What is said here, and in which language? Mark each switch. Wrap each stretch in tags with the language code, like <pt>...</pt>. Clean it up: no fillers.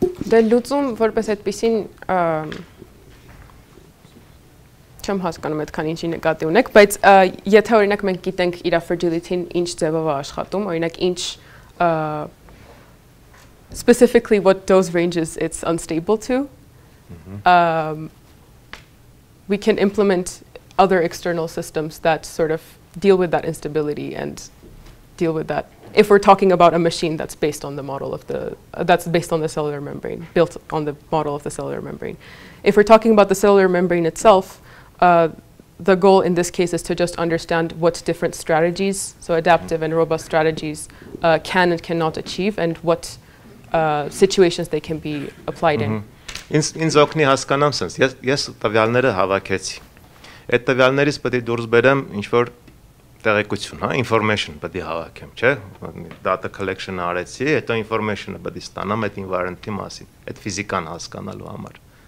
<hy>Դե լուծում, որպես այդպիսին, չեմ հասկանում այդքան ինչի նկատի ունեք, բայց եթե օրինակ մենք գիտենք իր fragility-ին ինչ ձևով է աշխատում, օրինակ ինչ</hy> <en>specifically what those ranges it's unstable to, we can implement other external systems that sort of deal with that instability and deal with that. If we're talking about a machine that's based on the model of the, that's based on the cellular membrane, built on the model of the cellular membrane. If we're talking about the cellular membrane itself, the goal in this case is to just understand what different strategies, so adaptive and robust strategies, can and cannot achieve and what situations they can be applied in.</en> <hy>Այդ տվյալներից պետք է դուրս բերեմ ինչ-որ տեղեկություն, հա, information պետք է հավաքեմ, չէ՞, data collection արեցի, հետո information-ը պետք է ստանամ այդ environment-ի մասին, այդ ֆիզիկան հասկանալու համար,</hy>